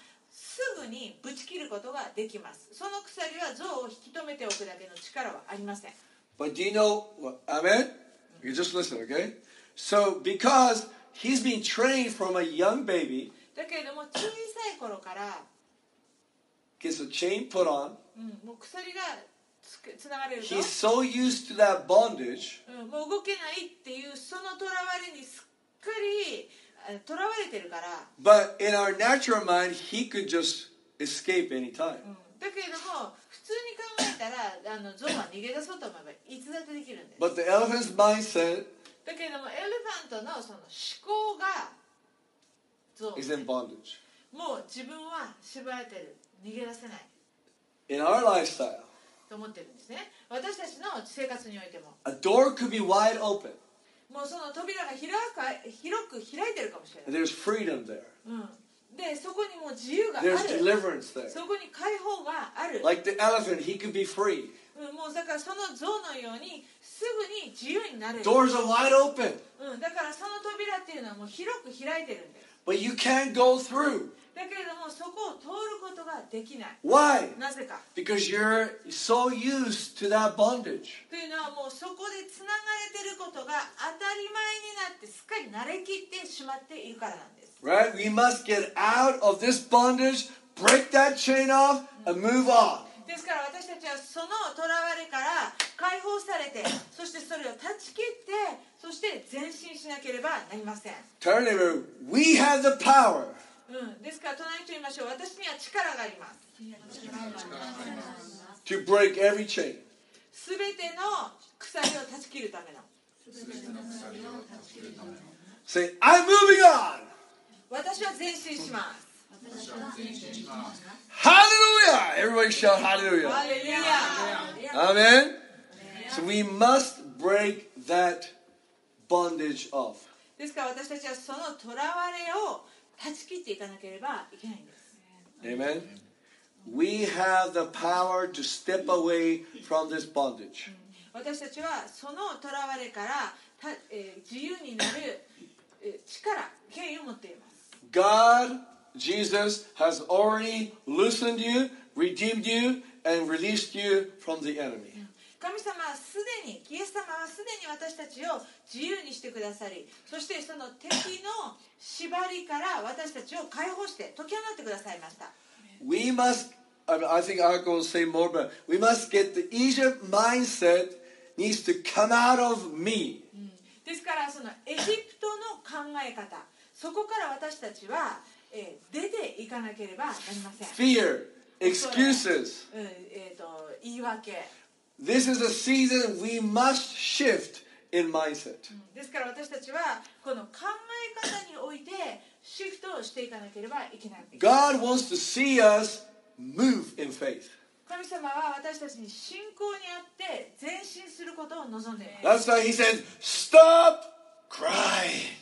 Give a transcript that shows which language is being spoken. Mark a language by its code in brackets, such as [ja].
[ja] すぐにぶち切ることができます。その鎖は象を引き止めておくだけの力はありません。 [en] But do you know what? Amen? You just listen, okay? So because he's been trained from a young baby, [ja] だけれども小さい頃から [en] gets a chain put on, [ja] もう鎖がつながれると、 [en] he's so used to that bondage, [ja] もう動けないっていうそのとらわれにすっかり囚われてるから。 [en] But in our natural mind, he could just escape anytime. [ja] だけれども普通に考えたら、ゾウは逃げ出そうと思えばいつだってできるんです。 [en] But the elephant's mindset, [ja] だけれどもエレファントのその思考がゾウ。 [en] is in bondage. [ja] もう自分は縛られてる、逃げ出せない。 [en] In our lifestyle, [ja] と思ってるんですね。私たちの生活においても。 [en] A door could be wide open. [ja] もうその扉が広く開いてるかもしれない。 [en] There's freedom there.、 [ja] うん、で、そこにもう自由がある。 [en] There's deliverance there. [ja] そこに解放がある。 [en] Like the elephant, he could be free.、 [ja] うん、もうだからその象のようにすぐに自由になれる。 [en] Doors are wide open.、 [ja] うん、だからその扉っていうのはもう広く開いてるんです。 [en] But you can't go through. [ja] だけれどもそこを通ることができない。 [en] Why? [ja] なぜか。 [en] Because you're so used to that bondage. [ja] というのはもうそこでつながれてることが当たり前になってすっかり慣れきってしまっているからなんです。 [en] Right? We must get out of this bondage, break that chain off, and move on. [ja] ですから私たちはその囚われから解放されて、そしてそれを断ち切って、そして前進しなければなりません。 [en] Turn over. We have the power. うん。 [ja] ですから隣に言いましょう。私には力があります。 [en] To break every chain. [ja] すべての鎖を断ち切るための。 [en] Say, I'm moving on. [ja] 私は前進します。 [en] Hallelujah! Everybody shout hallelujah! Hallelujah! Amen? So we must break that bondage off. [ja] ですから私たちはその囚われを断ち切っていかなければいけないんです。 [en] Amen. We have the power to step away from this bondage. [ja] 私たちはその囚われから自由になる力、権威を持っています。 [en] God, Jesus has already loosened you, redeemed you, and released you from the enemy. [ja] 神様はすでに、イエス様はすでに私たちを自由にしてくださり、そしてその敵の縛りから私たちを解放して解き放ってくださいました。 [en] We must, I think I'm going to say more, but we must get the Egypt mindset needs to come out of me. [ja] ですからそのエジプトの考え方、そこから私たちは出ていかなければなりません。 [en] Fear, excuses. [ja] 言い訳。 [en] This is a season we must shift in mindset. [ja] ですから私たちはこの考え方においてシフトをしていかなければいけない。 [en] God wants to see us move in faith. [ja] 神様は私たちに信仰にあって前進することを望んでいます。 [en] That's why he said, stop crying.